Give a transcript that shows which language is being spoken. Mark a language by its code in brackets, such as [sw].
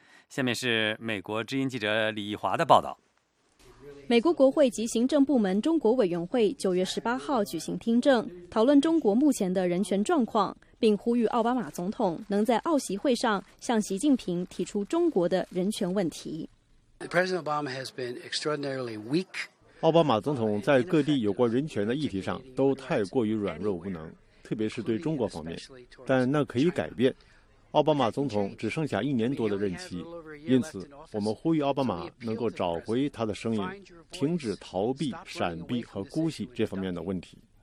[zh] 下面是美国之音记者李毅华的报道。美国国会及行政部门中国委员会9月18号举行听证，讨论中国目前的人权状况，并呼吁奥巴马总统能在奥习会上向习近平提出中国的人权问题。 [en] President Obama has been extraordinarily weak. [zh] 奥巴马总统在各地有关人权的议题上都太过于软弱无能，特别是对中国方面，但那可以改变。奥巴马总统只剩下一年多的任期，因此我们呼吁奥巴马能够找回他的声音，停止逃避、闪避和姑息这方面的问题。